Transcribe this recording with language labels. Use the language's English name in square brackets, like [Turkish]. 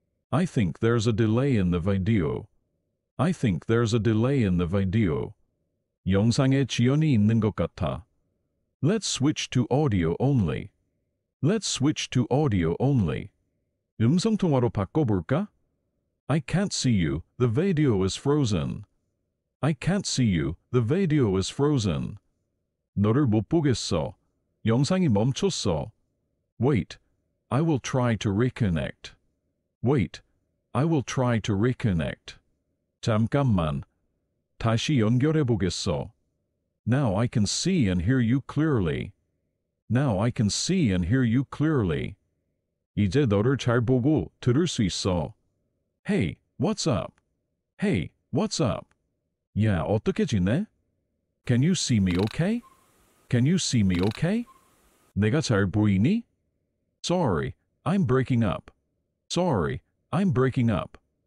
[English] I think there's a delay in the video. I think there's a delay in the video. [Korean] 영상에 지연이 있는 것 같아. [English] Let's switch to audio only. Let's switch to audio only. [Korean] 음성통화로 바꿔볼까? [English] I can't see you. The video is frozen. I can't see you. The video is frozen. [Korean] 너를 못 보겠어. 영상이 멈췄어. [English] Wait. I will try to reconnect. Wait. I will try to reconnect. [Korean] 잠깐만. 다시 연결해 보겠어. [English] Now I can see and hear you clearly. Now I can see and hear you clearly. [Korean] 이제 너를 잘 보고 들을 수 있어. [English] Hey, what's up? Hey, what's up? [Korean] 야, 어떻게 지내? [English] Can you see me okay? Can you see me okay? [Korean] 내가 잘 보이니? [English] Sorry, I'm breaking up. Sorry, I'm breaking up.